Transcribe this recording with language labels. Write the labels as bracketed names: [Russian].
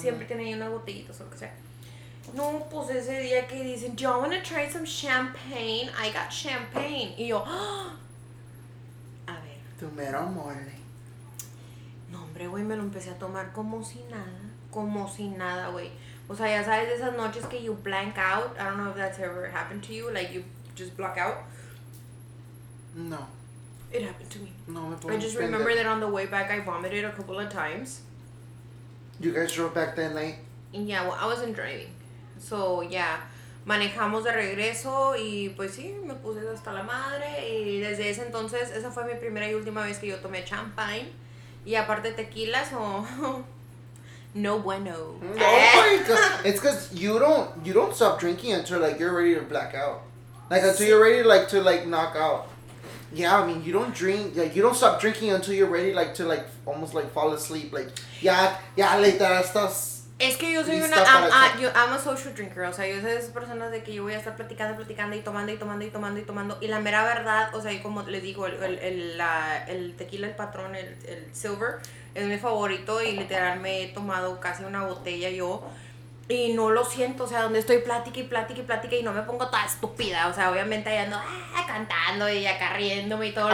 [Spanish] Siempre tiene ahí unas botellitas o lo que sea. [English] No, pues, ese día que dicen, do you want to try some champagne? [Spanish] I got champagne. Y yo, ¡ah! A ver. Tu mero mole. No, hombre, güey, me lo empecé a tomar como si nada. Como si nada, güey. O sea, ya sabes, esas noches que you blank out. I don't know if that's ever happened to you. [English] Like, you just block out. [Spanish] No. [English] It happened to me. [Spanish] No, me puedo [English] I just [Spanish] entender. [English] Remember that on the way back, I vomited a couple of times. You guys drove back that night? Yeah, well, I wasn't driving. So, yeah. [Spanish] Manejamos de regreso y, pues, sí, me puse hasta la madre. Y desde ese entonces, esa fue mi primera y última vez que yo tomé champagne. Y aparte tequila, so... No bueno. [English] It's because you don't stop drinking until like you're ready to black out, like until you're ready like to like knock out. Yeah, I mean you don't drink like you don't stop drinking until you're ready like to like almost like fall asleep like yeah like that stuff. [Spanish] Es que yo soy una I'm a social drinker, o sea yo soy de esas personas de que yo voy a estar platicando y tomando y tomando y tomando y tomando y la mera verdad, o sea como les digo el tequila el patrón el silver. Es mi favorito y literal me he tomado casi una botella yo y no lo siento, o sea, donde estoy plática y no me pongo toda estúpida, o sea, obviamente ahí ando cantando y acá riéndome y todo